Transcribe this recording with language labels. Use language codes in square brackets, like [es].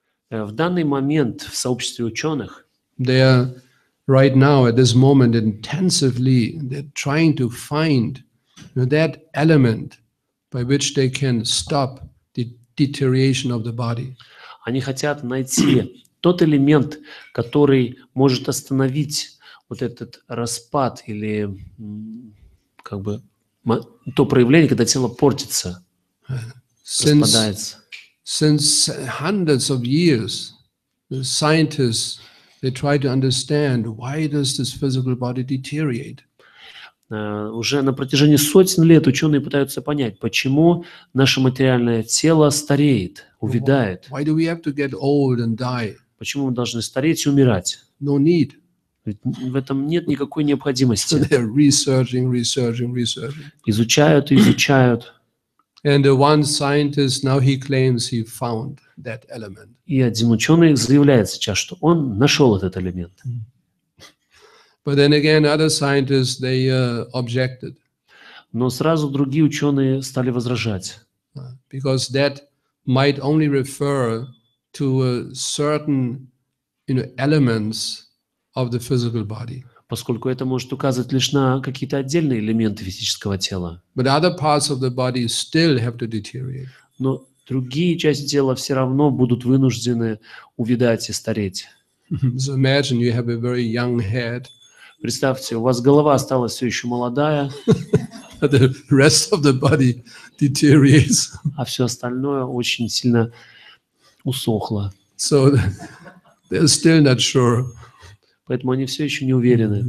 [ru] В данный момент в сообществе ученых. [en] They are right now at this moment intensively. They're trying to find that element, by which they can stop the deterioration of the body. [ru] Они хотят найти тот элемент, который может остановить вот этот распад или как бы то проявление, когда тело портится, распадается. [en] Since hundreds of years, the scientists they try to understand why does this physical body deteriorate. [ru] Уже на протяжении сотен лет ученые пытаются понять, почему наше материальное тело стареет, увядает. [en] Why do we have to get old and die? [ru] Почему мы должны стареть и умирать? [en] No need. [ru] В этом нет никакой необходимости. [en] They're researching, researching, researching. [ru] Изучают и изучают. [en] And one scientist now he claims he found that element. [ru] И один ученый заявляет сейчас, что он нашел этот элемент. [en] But then again, other scientists they objected. [ru] Но сразу другие ученые стали возражать. [en] Because that might only refer to a certain, you know, elements of the physical body. [ru] Поскольку это может указывать лишь на какие-то отдельные элементы физического тела. [en] But other parts of the body still have to deteriorate. [ru] Но другие части тела все равно будут вынуждены увядать и стареть. [en] So imagine you have a very young head. [ru] Представьте, у вас голова осталась все еще молодая. [en] The rest of the body deteriorates. [ru] А все остальное очень сильно усохло. [en] So they're still not sure. [ru] Поэтому они все еще не уверены.